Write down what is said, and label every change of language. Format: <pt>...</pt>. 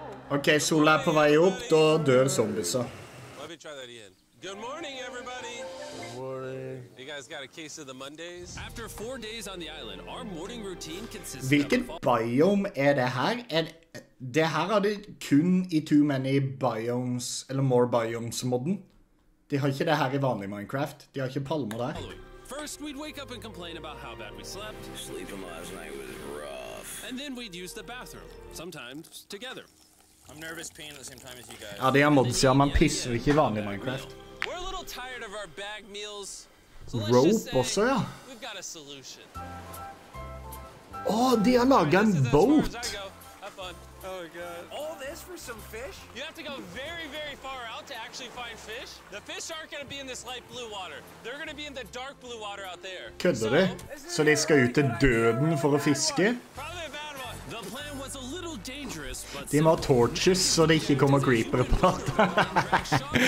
<no>Okay, sola på vei opp, da dør zombiesa.</no> <en>Let me try that again. Good morning, everybody. Good morning. You guys got a case of the Mondays? After 4 days on the island, our morning routine consists of...</en> <no>Hvilken biome det her? Det her det kun i Too Many Biomes, eller More Biomes-modden. De har ikke det her i vanlig Minecraft. De har ikke palmer der.</no> <en>First, we'd wake up and complain about how bad we slept. Sleeping last night was rough. And then we'd use the bathroom, sometimes together. I'm nervous peeing at the same time as you guys.</en> <no>Ja, det mods, ja, man pisser ikke i vanlig Minecraft.</no> <en>We're a little tired of our bag meals. So let's just say, we've got a solution.</en> <no>Åh, de har laget en båt!</no> <en>Oh god. All this for some fish? You have to go very, very far out to actually find fish. The fish aren't gonna be in this light blue water. They're gonna be in the dark blue water out there.</en> <no>Kødder de? Så de skal ut til døden for å fiske?</no> <en>Probably a bad one. The plan was a little dangerous, but...</en> <no>De må ha torches så det ikke kommer creepere på natt.</no>